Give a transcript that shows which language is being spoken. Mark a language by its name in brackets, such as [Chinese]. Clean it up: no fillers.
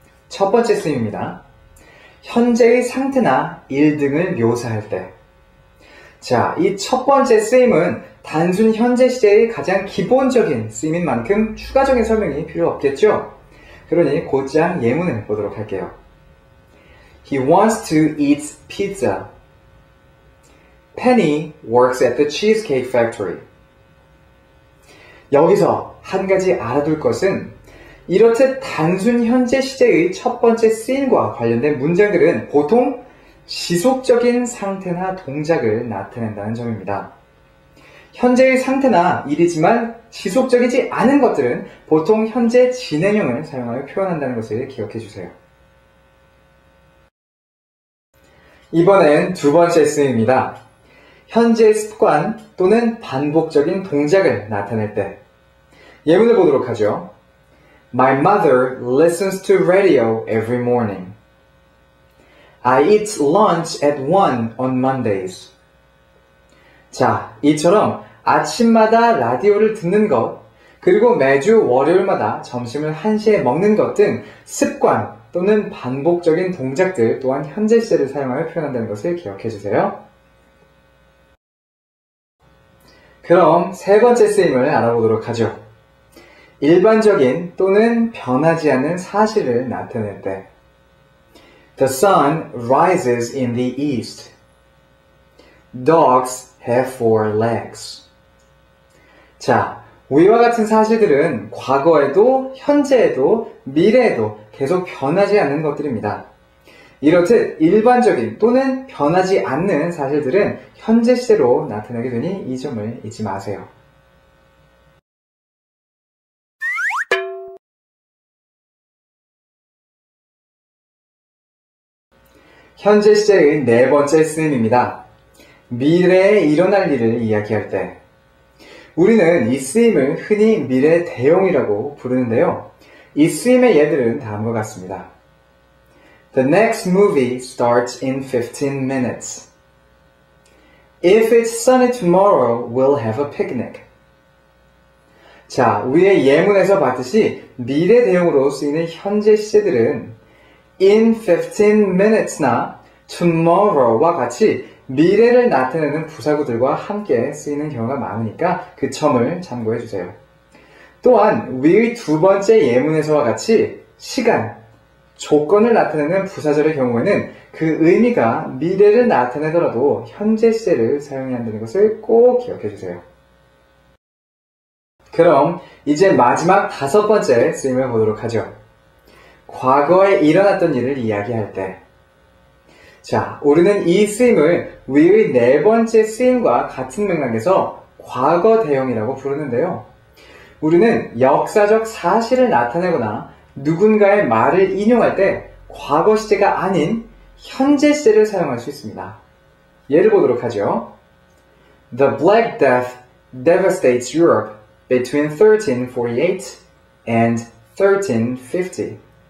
[Korean] 첫 번째 쓰임입니다. 현재의 상태나 일 등을 묘사할 때. 자, 이 첫 번째 쓰임은 단순 현재 시제의 가장 기본적인 쓰임인 만큼 추가적인 설명이 필요 없겠죠? 그러니 곧장 예문을 보도록 할게요. [English] He wants to eat pizza. Penny works at the cheesecake factory. [Korean] 여기서 한 가지 알아둘 것은 이렇듯 단순 현재 시제의 첫 번째 쓰임과 관련된 문장들은 보통 지속적인 상태나 동작을 나타낸다는 점입니다. 현재의 상태나 일이지만 지속적이지 않은 것들은 보통 현재 진행형을 사용하여 표현한다는 것을 기억해 주세요. 이번엔 두 번째 쓰임입니다. 현재의 습관 또는 반복적인 동작을 나타낼 때. 예문을 보도록 하죠. [English] My mother listens to radio every morning. I eat lunch at 1 on Mondays. [Korean] 자, 이처럼 아침마다 라디오를 듣는 것, 그리고 매주 월요일마다 점심을 1시에 먹는 것 등 습관 또는 반복적인 동작들 또한 현재 시제를 사용하여 표현한다는 것을 기억해 주세요. 그럼 세 번째 쓰임을 알아보도록 하죠. 일반적인 또는 변하지 않는 사실을 나타낼 때. [English] The sun rises in the east. Dogs have 4 legs. [Korean] 자, 위와 같은 사실들은 과거에도, 현재에도, 미래에도 계속 변하지 않는 것들입니다. 이렇듯 일반적인 또는 변하지 않는 사실들은 현재 시제로 나타나게 되니 이 점을 잊지 마세요. 현재 시제의 네 번째 쓰임입니다. 미래에 일어날 일을 이야기할 때. 우리는 이 쓰임을 흔히 미래 대용이라고 부르는데요. 이 쓰임의 예들은 다음과 같습니다. [English] The next movie starts in 15 minutes. If it's sunny tomorrow, we'll have a picnic. [Korean] 자, 우리의 예문에서 봤듯이 미래 대용으로 쓰이는 현재 시제들은 [English] in 15 minutes [Korean] 나 tomorrow와 같이 미래를 나타내는 부사구들과 함께 쓰이는 경우가 많으니까 그 점을 참고해 주세요. 또한 위의 두 번째 예문에서와 같이 시간, 조건을 나타내는 부사절의 경우에는 그 의미가 미래를 나타내더라도 현재 시제를 사용해야 한다는 것을 꼭 기억해 주세요. 그럼 이제 마지막 다섯 번째 쓰임을 보도록 하죠. 과거에 일어났던 일을 이야기할 때. 자, 우리는 이 쓰임을 위의 네 번째 쓰임과 같은 맥락에서 과거 대형이라고 부르는데요. 우리는 역사적 사실을 나타내거나 누군가의 말을 인용할 때 과거 시제가 아닌 현재 시제를 사용할 수 있습니다. 예를 보도록 하죠. [English] The Black Death devastates Europe between 1348 and 1350.